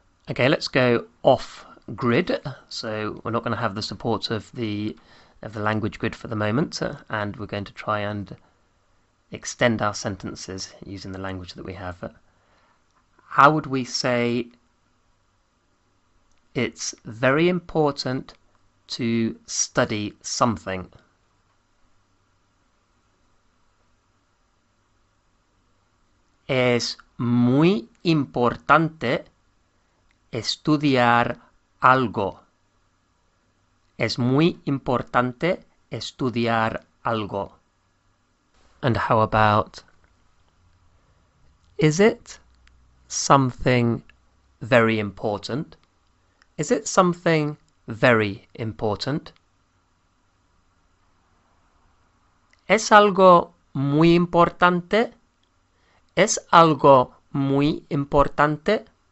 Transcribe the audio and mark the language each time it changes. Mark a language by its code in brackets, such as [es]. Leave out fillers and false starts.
[en] Okay, let's go off grid. So we're not going to have the support of the language grid for the moment, and we're going to try and extend our sentences using the language that we have. How would we say it's very important to study something? [es] Es muy importante estudiar algo. Es muy importante estudiar algo. [en] And how about, is it something very important? Is it something very important? [es] Es algo muy importante? Es algo muy importante?